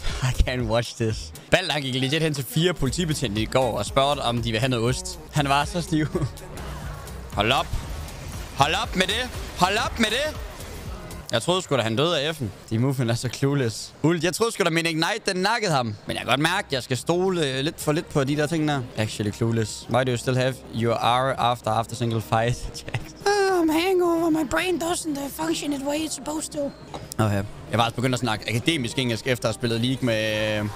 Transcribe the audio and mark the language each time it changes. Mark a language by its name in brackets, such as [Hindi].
[English] I can't watch this. [Danish] Balder, han gik legit hen til 4 politibetjente i går og spurgte, om de vil have noget ost. Han var så stiv. Hold op. Hold op med det! Hold op med det! Jeg troede sgu da, han døde af F'en. De muffen er så clueless. Ult, jeg troede sgu da, min Ignite, den nakkede ham. Men jeg kan godt mærke, at jeg skal stole lidt for lidt på de der ting der. [English] Actually clueless. Why do you still have your R after single fight, Jax? I'm hangover. My brain doesn't function the way it's supposed to. Okay. [Danish] Jeg var altså begyndt at snakke akademisk engelsk, efter at have spillet League med...